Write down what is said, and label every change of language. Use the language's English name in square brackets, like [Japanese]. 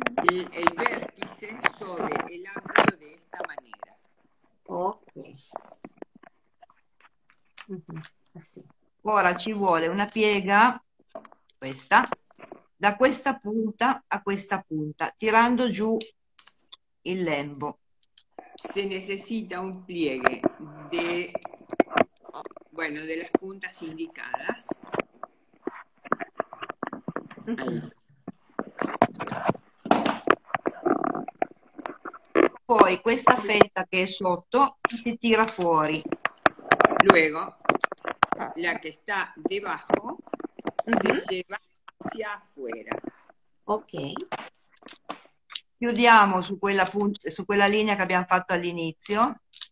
[Italian] Il vertice sopra l'angolo di questa maniera. Ok. Ora ci vuole una piega, questa, da questa punta a questa punta, tirando giù il lembo. [Spanish] Se necesita un pliegue de, bueno, de las puntas indicadas. [Italian] Poi questa fetta che è sotto si tira fuori. [Spanish] Luego, la che sta debajo si lleva hacia afuera. Ok. [Italian] Chiudiamo su quella punta, su quella linea che abbiamo fatto all'inizio.